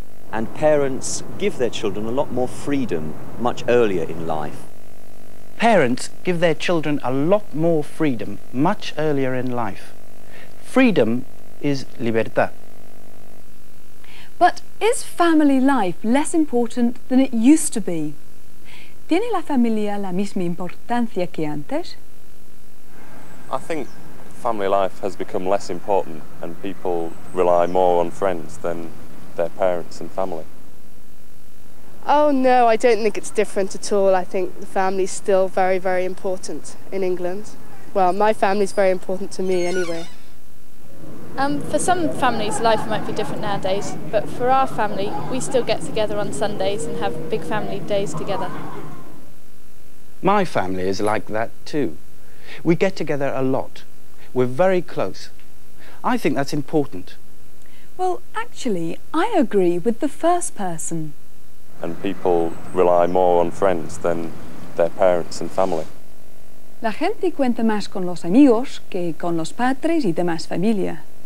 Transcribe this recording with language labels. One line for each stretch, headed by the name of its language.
English: And parents give their children a lot more freedom much earlier in life. Parents give their children a lot more freedom much earlier in life. Freedom is libertad. But is family life less important than it used to be?
Spanish: ¿Tiene la familia la misma importancia que antes?
English: I think family life has become less important and people rely more on friends than their parents and family. Oh no, I don't think it's different at all. I think the family's still very, very important in England. Well, my family's very important to me anyway. For some families, life might be different nowadays, but for our family, we still get together on Sundays and have big family days together. My family is like that too. We get together a lot. We're very close. I think that's important. Well, actually, I agree with the first person. And people rely more on friends than their parents and family.
Spanish: La gente cuenta más con los amigos que con los padres y demás familia.